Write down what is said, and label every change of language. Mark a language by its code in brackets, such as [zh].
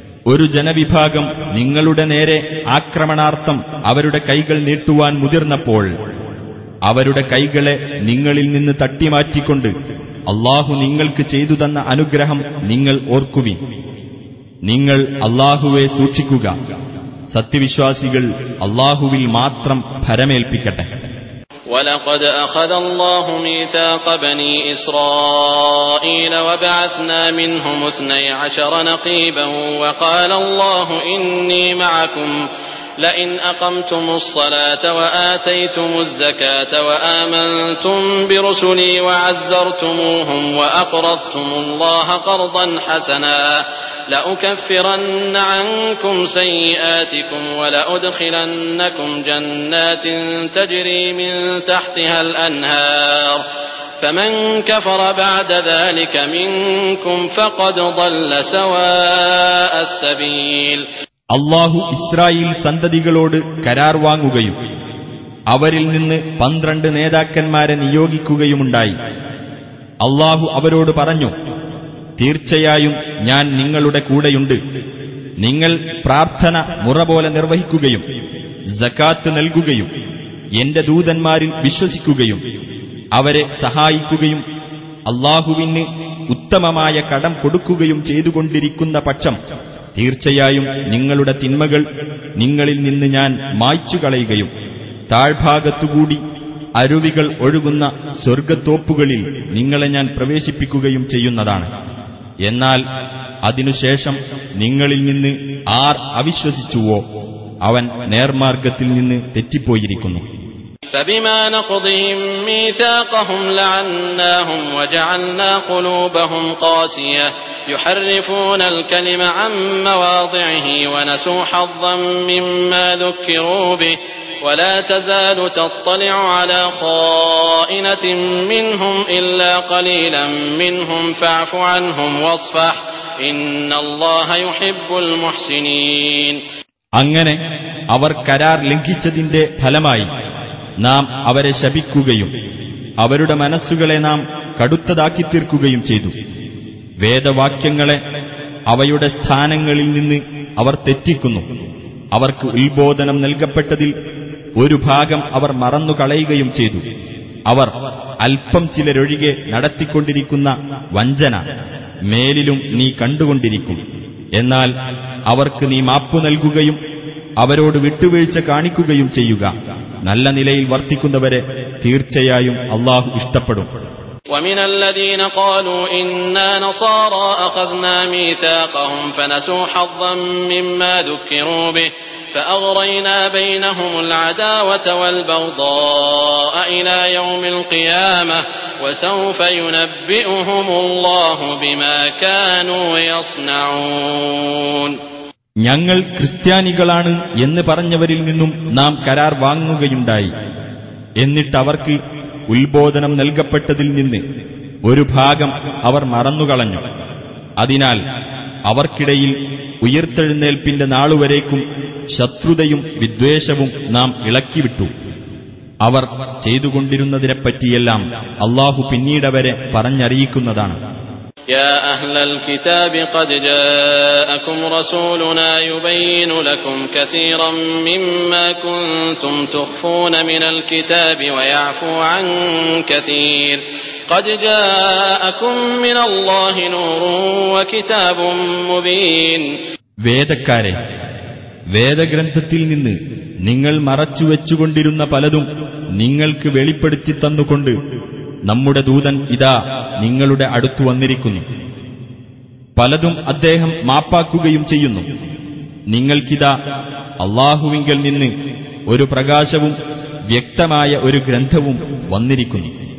[ml] ഒരു ജനവിഭാഗം നിങ്ങളുടെ നേരെ ആക്രമണാർത്ഥം അവരുടെ കൈകൾ നീട്ടുവാൻ മുതിർന്നപ്പോൾ അവരുടെ കൈകളെ നിങ്ങളിൽ നിന്ന് തട്ടിമാറ്റിക്കൊണ്ട് അല്ലാഹു നിങ്ങൾക്ക് ചെയ്തു തന്ന അനുഗ്രഹം നിങ്ങൾ ഓർക്കുവിൻ. നിങ്ങൾ അല്ലാഹുവെ സൂക്ഷിക്കുക. സത്യവിശ്വാസികൾ അല്ലാഹുവിൽ മാത്രം ഭരമേൽപ്പിക്കട്ടെ. [ar] ولقد أخذ الله ميثاق بني إسرائيل وبعثنا منهم اثني عشر نقيبا وقال الله إني معكم لئن أقمتم الصلاة وآتيتم الزكاة وآمنتم برسلي وعزرتموهم وأقرضتم الله قرضا حسنا لأكفرن عنكم سيئاتكم ولأدخلنكم جنات تجري من تحتها الأنهار فمن كفر بعد ذلك منكم فقد ضل سواء السبيل [ml] അല്ലാഹു ഇസ്രായേൽ സന്തതികളോട് കരാർ വാങ്ങുകയും അവരിൽ നിന്ന് 12 നേതാക്കന്മാരെ നിയോഗിക്കുകയുമുണ്ടായി. അല്ലാഹു അവരോട് പറഞ്ഞു, തീർച്ചയായും ഞാൻ നിങ്ങളുടെ കൂടെയുണ്ട്. നിങ്ങൾ പ്രാർത്ഥന മുറ പോലെ നിർവഹിക്കുകയും സകാത്ത് നൽകുകയും എന്റെ ദൂതന്മാരിൽ വിശ്വസിക്കുകയും അവരെ സഹായിക്കുകയും അല്ലാഹുവിന് ഉത്തമമായ കടം കൊടുക്കുകയും ചെയ്തുകൊണ്ടിരിക്കുന്ന പക്ഷം തീർച്ചയായും നിങ്ങളുടെ തിന്മകൾ നിങ്ങളിൽ നിന്ന് ഞാൻ മായ്ച്ചുകളയുകയും താഴ്ഭാഗത്തുകൂടി അരുവികൾ ഒഴുകുന്ന സ്വർഗത്തോപ്പുകളിൽ നിങ്ങളെ ഞാൻ പ്രവേശിപ്പിക്കുകയും ചെയ്യുന്നതാണ്. എന്നാൽ അതിനുശേഷം നിങ്ങളിൽ നിന്ന് ആർ അവിശ്വസിച്ചുവോ അവൻ നേർമാർഗത്തിൽ നിന്ന് തെറ്റിപ്പോയിരിക്കുന്നു. [ar] فبما نقضهم ميثاقهم لعناهم وجعلنا قلوبهم قاسية يحرفون الكلم عن مواضعه ونسوا حظا مما ذكروا به ولا تزال تطلع على خائنة منهم إلا قليلا منهم فاعف عنهم واصفح إن الله يحب المحسنين [ml] അങ്ങനെ അവർ കരാർ ലംഘിച്ചതിന്റെ ഫലമായി നാം അവരെ ശപിക്കുകയും അവരുടെ മനസ്സുകളെ നാം കടുത്തതാക്കി തീർക്കുകയും ചെയ്തു. വേദവാക്യങ്ങളെ അവയുടെ സ്ഥാനങ്ങളിൽ നിന്ന് അവർ തെറ്റിക്കുന്നു. അവർക്ക് ഉത്ബോധനം നൽകപ്പെട്ടതിൽ ഒരു ഭാഗം അവർ മറന്നുകളയുകയും ചെയ്തു. അവർ അല്പം ചിലരൊഴികെ നടത്തിക്കൊണ്ടിരിക്കുന്ന വഞ്ചന മേലിലും നീ കണ്ടുകൊണ്ടിരിക്കും. എന്നാൽ അവർക്ക് നീ മാപ്പു നൽകുകയും അവരോട് വിട്ടുവീഴ്ച കാണിക്കുകയും ചെയ്യുക. നല്ല നിലയിൽ വർത്തിക്കുന്നവരെ തീർച്ചയായും അല്ലാഹു ഇഷ്ടപ്പെടും. [ar] ومن الذين قالوا إنا نصارى أخذنا ميثاقهم فنسوا حظا مما ذكروا به فأغرينا بينهم العداوة والبغضاء إلى يوم القيامة وسوف ينبئهم الله بما كانوا يصنعون. [ml] ഞങ്ങൾ ക്രിസ്ത്യാനികളാണ് എന്ന് പറഞ്ഞവരിൽ നിന്നും നാം കരാർ വാങ്ങുകയുണ്ടായി. എന്നിട്ട് അവർക്ക് ഉത്ബോധനം നൽകപ്പെട്ടതിൽ നിന്ന് ഒരു ഭാഗം അവർ മറന്നുകളഞ്ഞു. അതിനാൽ അവർക്കിടയിൽ ഉയർത്തെഴുന്നേൽപ്പിന്റെ നാളുവരേക്കും ശത്രുതയും വിദ്വേഷവും നാം ഇളക്കിവിട്ടു. അവർ ചെയ്തുകൊണ്ടിരുന്നതിനെപ്പറ്റിയെല്ലാം അള്ളാഹു പിന്നീടവരെ പറഞ്ഞറിയിക്കുന്നതാണ്. [ar] يا اهل الكتاب قد جاءكم رسولنا يبين لكم كثيرا مما كنتم تخفون من الكتاب ويعفو عن كثير قد جاءكم من الله نور وكتاب مبين [ml] വേദകാരെ വേദഗ്രന്ഥത്തിൽ നിന്ന് നിങ്ങൾ മറച്ചു വെച്ചുകൊണ്ടിരുന്ന പലതും നിങ്ങൾക്ക് വെളിപ്പെടുത്തി തന്നുകൊണ്ട് നമ്മുടെ ദൂതൻ ഇതാ നിങ്ങളുടെ അടുത്തു വന്നിരിക്കുന്നു. പലതും അദ്ദേഹം മാപ്പാക്കുകയും ചെയ്യുന്നു. നിങ്ങൾക്കിതാ അള്ളാഹുവിങ്കൽ നിന്ന് ഒരു പ്രകാശവും വ്യക്തമായ ഒരു ഗ്രന്ഥവും വന്നിരിക്കുന്നു.